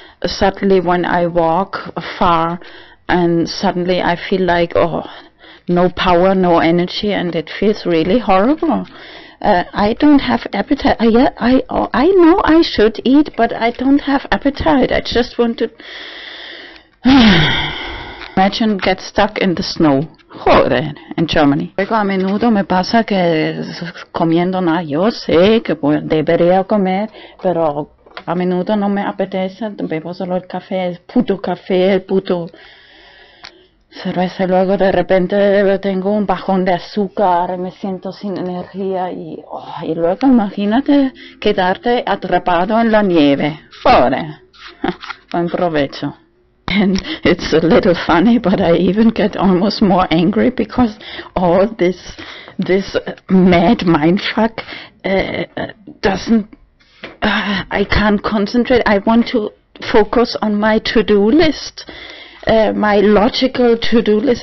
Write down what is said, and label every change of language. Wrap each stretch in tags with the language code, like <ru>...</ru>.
<en>suddenly when I walk far, and suddenly I feel like, oh, no power, no energy, and it feels really horrible. I don't have appetite. I know I should eat, but I don't have appetite. I just want to imagine get stuck in the snow.</en> <es>Joder, en Germany. Luego a menudo me pasa que comiendo nada. Yo sé que debería comer, pero a menudo no me apetece. Bebo solo el café, el puto café, el puto cerveza. Luego de repente tengo un bajón de azúcar, me siento sin energía y, oh, y luego imagínate quedarte atrapado en la nieve. Joder, buen provecho.</es> <en>And it's a little funny, but I even get almost more angry because all this mad mindfuck doesn't. I can't concentrate. I want to focus on my to-do list, my logical to-do list.</en>